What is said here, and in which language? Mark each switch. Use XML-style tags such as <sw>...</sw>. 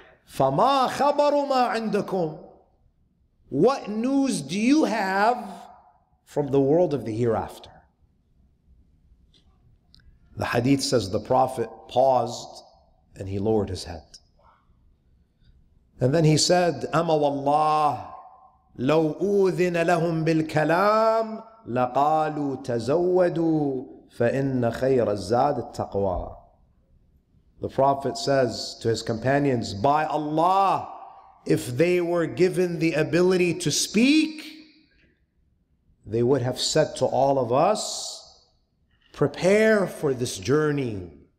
<ar>فَمَا خَبَرُ مَا عِنْدَكُمْ.</ar> <en>What news do you have from the world of the hereafter? The hadith says the Prophet paused and he lowered his head. And then he said,</en> <ar>أَمَا وَاللَّهِ لَوْ أُوذِنَ لَهُمْ بِالْكَلَامِ لَقَالُوا تَزَوَّدُوا فَإِنَّ خَيْرَ الزَّادِ التَّقْوَى.</ar> <en>The Prophet says to his companions, by Allah, if they were given the ability to speak, they would have said to all of us, prepare for this journey.</en>